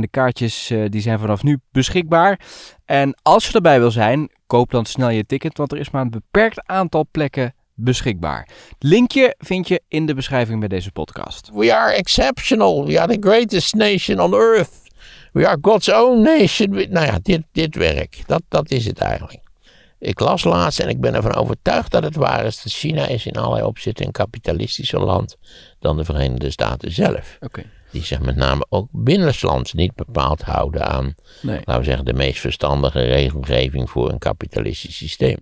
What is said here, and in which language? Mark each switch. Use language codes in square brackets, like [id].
[nl] De kaartjes die zijn vanaf nu beschikbaar. En als je erbij wil zijn, koop dan snel je ticket, want er is maar een beperkt aantal plekken beschikbaar. Linkje vind je in de beschrijving bij deze podcast. [en] We are exceptional. We are the greatest nation on earth. We are God's own nation. [nl] Nou ja, dit werk. Dat is het eigenlijk. Ik las laatst en ik ben ervan overtuigd dat het waar is. Dat China is in allerlei opzichten een kapitalistischer land dan de Verenigde Staten zelf. Okay. Die zich met name ook binnenlands niet bepaald houden aan, laten we zeggen, de meest verstandige regelgeving voor een kapitalistisch systeem.